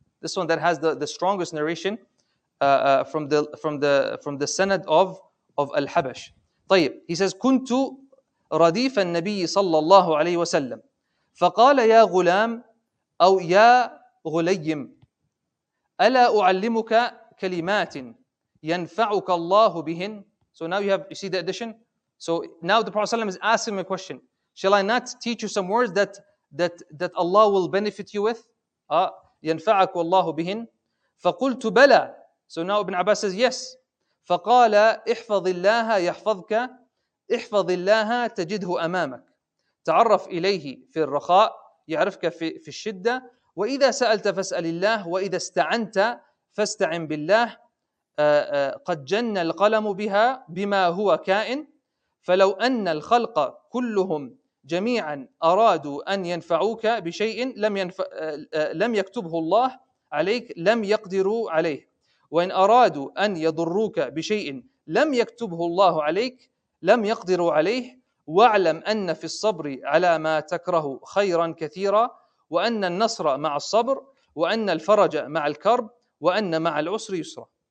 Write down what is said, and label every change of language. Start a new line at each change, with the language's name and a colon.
English: This one that has the strongest narration from the Sanad of Al-Habash.
Arabic: طيب,
English: he says,
Arabic: كنت رديف النبي صلى الله عليه وسلم فقال يا غلام أو يا غليم ألا أعلمك كلمات ينفعك الله بهن.
English: So now you see the addition. So now the Prophet ﷺ is asking him a question. Shall I not teach you some words that Allah will benefit you with?
Arabic: ينفعك الله بهن. فقلت بلى.
English: So now Ibn Abbas says yes.
Arabic: فقال احفظ الله يحفظك احفظ الله تجده أمامك تعرف إليه في الرخاء يعرفك في الشدة وإذا سألت فاسأل الله وإذا استعنت فاستعن بالله قد جن القلم بها بما هو كائن فلو أن الخلق كلهم جميعا أرادوا أن ينفعوك بشيء لم يكتبه الله عليك لم يقدروا عليه وإن أرادوا أن يضروك بشيء لم يكتبه الله عليك لم يقدروا عليه واعلم أن في الصبر على ما تكره خيرا كثيرا وأن النصر مع الصبر وأن الفرج مع الكرب وأن مع العسر يسرا.